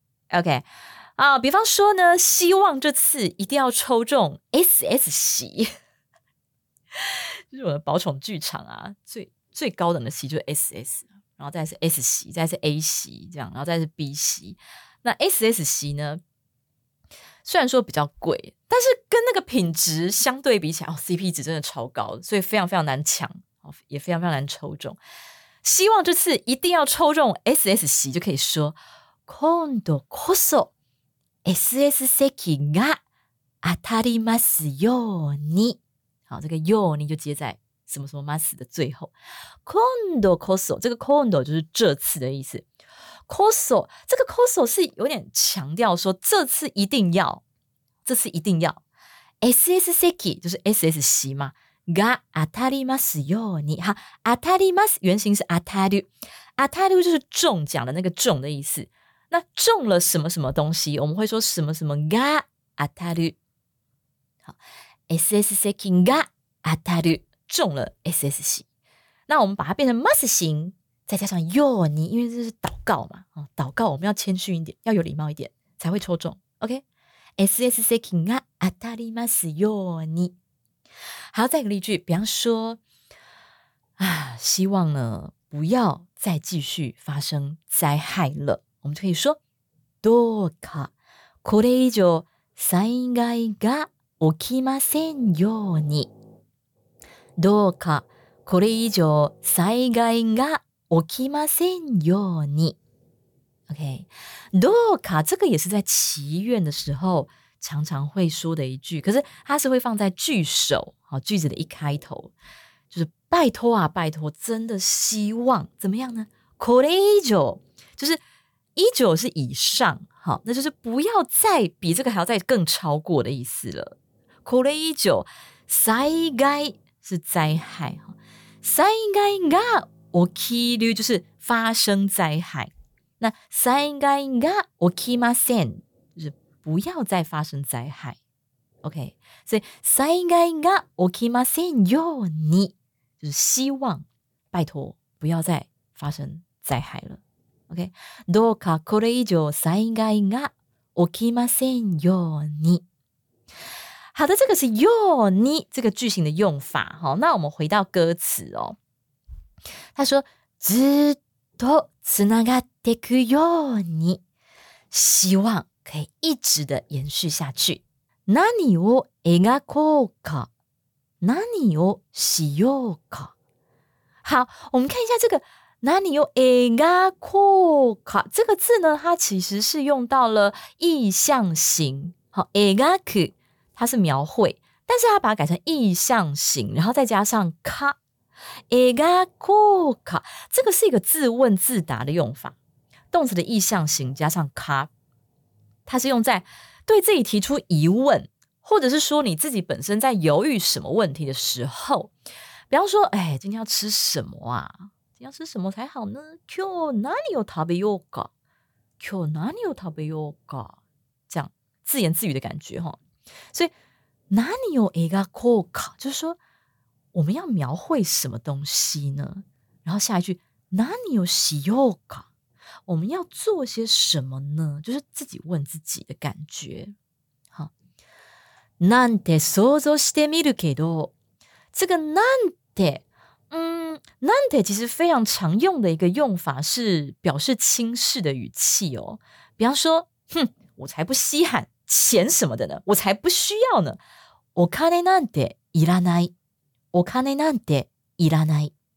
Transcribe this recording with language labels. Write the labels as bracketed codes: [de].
[zh] OK， 比方说呢，希望这次一定要抽中 SS 席，就是我的宝宠剧场啊，最高等的席就是 SS。然后再是 S 席，再是 A 席，这样，然后再是 B 席。那 SS 席呢，虽然说比较贵，但是跟那个品质相对比起来，CP 值真的超高，所以非常非常难抢，也非常非常难抽中。希望这次一定要抽中 SS 席，就可以说 [ja] 今度こそ SS 席が当たりますように。 [zh] 好，这个ように就接在什么什么ます的最后。今度こそ，这个今度就是这次的意思。こそ，这个こそ是有点强调说这次一定要，这次一定要。 SS 席就是 SS 席嘛。 [ja] が当たりますように。 [zh] 好，当たります原型是当たる，当たる就是中奖的那个中的意思。那中了什么什么东西，我们会说什么什么が当たる。好 ， [ja] SS 席が当たる， [zh] 中了 SS 席。那我们把它变成ます型，再加上ように，因为这是祷告嘛，祷告我们要谦逊一点，要有礼貌一点，才会抽中。 [ja] OK，SS 席が当たりますように。 [zh] 好，再一个例句，比方说，啊，希望呢不要再继续发生灾害了。 [ja] 我们就可以说，どうかこれ以上災害が起きませんように。どうかこれ以上災害が起きませんように。 [zh] OK， どうか这个也是在祈愿的时候常常会说的一句，可是它是会放在句首，好，句子的一开头，就是拜托啊，拜托，真的希望怎么样呢？これ以上就是。依旧是以上，好，那就是不要再比这个还要再更超过的意思了。これ以上、災害是灾害， [ja] 災害が起きる [zh] 就是发生灾害。那 [ja] 災害が起きません [zh] 就是不要再发生灾害。 OK， 所以 [ja] 災害が起きませんように [zh] 就是希望，拜托不要再发生灾害了。 [en] Okay. [ja] どうかこれ以上災害が起きませんように。 [zh] 好的，这个是ように这个句型的用法。好，那我们回到歌词哦。他说 [ja] ずっとつながっていくように， [zh] 希望可以一直的延续下去。 [ja] 何を描こうか、何をしようか。 [zh] 好，我们看一下这个。那你用 egako 卡这个字呢？它其实是用到了意象形。好 ，egaku 它是描绘，但是它把它改成意象形，然后再加上卡 egako 卡，这个是一个自问自答的用法。动词的意象形加上卡，它是用在对自己提出疑问，或者是说你自己本身在犹豫什么问题的时候。比方说，哎，今天要吃什么啊？要吃什么才好呢？ [ja] 今日何を食べようか？今日何を食べようか？ [zh] 这样自言自语的感觉哈。所以 [ja] 何を描こうか， [zh] 就是说我们要描绘什么东西呢？然后下一句 [ja] 何をしようか， [zh] 我们要做些什么呢？就是自己问自己的感觉。 [ja] なんて想像してみるけど， [zh] 这个なんて。なんて其实非常常用的一个用法是表示轻视的语气哦。比方说，哼，我才不稀罕钱什么的呢，我才不需要呢。 [ja] お金なんていらない。お金なんていらない。